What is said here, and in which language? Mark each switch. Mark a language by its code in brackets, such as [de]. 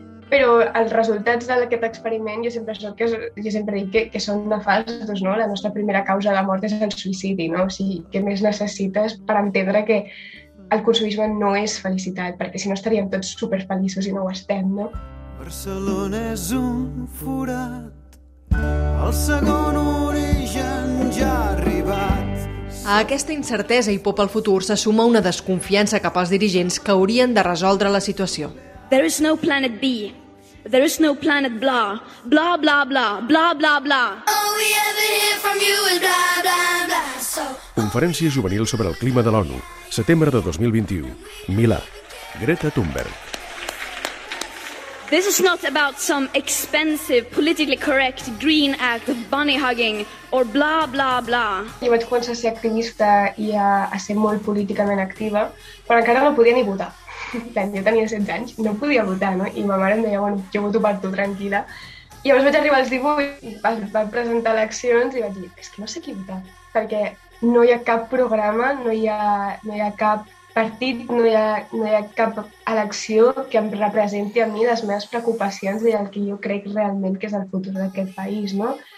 [ca] Però els resultats d'aquest experiment, jo sempre dic que són nefastos, no? La nostra primera causa de mort és el suïcidi, no? O sigui, què més necessites per entendre que el consumisme no és felicitat, perquè si no estaríem tots superfeliços i no ho estem, no? Barcelona és un forat, el segon origen ja ha arribat. A aquesta incertesa i por pel futur se suma una desconfiança cap als dirigents que haurien de resoldre la situació. [en] There is no planet B, there is no planet blah, blah, blah, blah, blah, blah, blah. All we ever hear from you is blah, blah, blah, so... [ca] Conferència juvenil sobre el clima de l'ONU, setembre de 2021, Milà, Greta Thunberg. [en] This is not about some expensive, politically correct green act of bunny hugging or blah, blah, blah. [ca] Jo vaig començar a ser activista i a ser molt políticament activa, però encara no podia ni votar. Jo tenia 16 anys, no podia votar, no? I ma mare em deia, bueno, jo voto per tu, tranquil·la. I llavors vaig arribar als 18, vam presentar eleccions i vaig dir, és que no sé qui votar, perquè no hi ha cap programa, no hi ha cap partit, no hi ha cap elecció que em representi a mi les meves preocupacions i el que jo crec realment que és el futur d'aquest país, no?